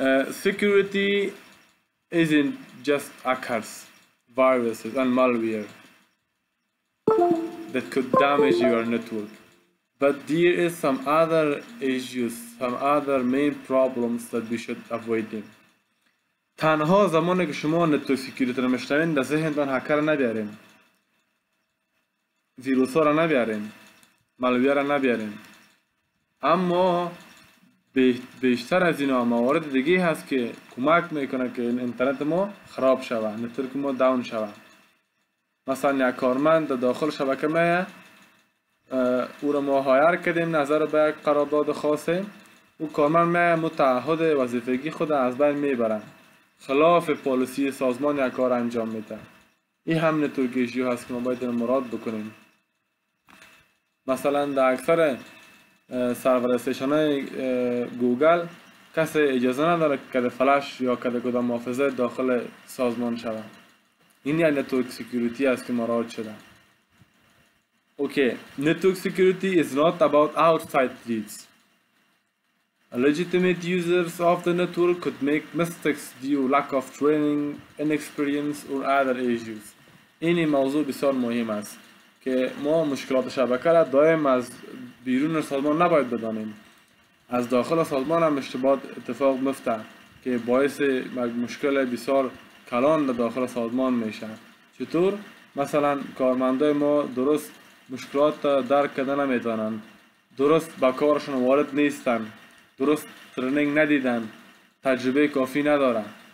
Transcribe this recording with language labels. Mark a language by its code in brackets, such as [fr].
[en] Security isn't just hackers, viruses and malware that could damage your network. But there is some other issues, some other main problems that we should avoid them. [fa] تنها زمانی که شما نتورک سکیوریتی رو میشنوین در ذهنتون هکر نبیارین، ویروس ها رو نبیارین، مالویر رو نبیارین. اما بیشتر از این موارد دیگه هست که کمک میکنه که اینترنت ما خراب شوه، نتورک ما داون شوه. مثلا یک کارمند داخل شبکه میه، او را ما هایر کردیم نظر به یک قرارداد خاصه، او کارمند می متعهد وظیفگی خود از بین میبرن، خلاف پالیسی سازمان یک کار انجام میده. این هم نتورک ایشو هست که ما باید مراد بکنیم. مثلا در اکثر سرور استیشن های گوگل کسی اجازه نداره که فلش یا که کدام محافظه داخل سازمان شود. این یعنی نتورک سکیوریتی است که مراد شده. [en] Okay, network security is not about outside threats. Legitimate users of the network could make mistakes due to lack of training, inexperience, or other issues. [fa] این موضوع بسیار مهم است که ما مشکلات شبکه را دائم از بیرون سازمان نباید بدانیم. از داخل سازمان هم اشتباهات اتفاق میفته که باعث مشکل بسیار کلان در داخل سازمان میشه. چطور؟ مثلا کارمندای ما درست مشکلات درک کرده نمیتونن، درست با کارشون وارد نیستن، درست ترنینگ ندیدن، تجربه کافی ندارن.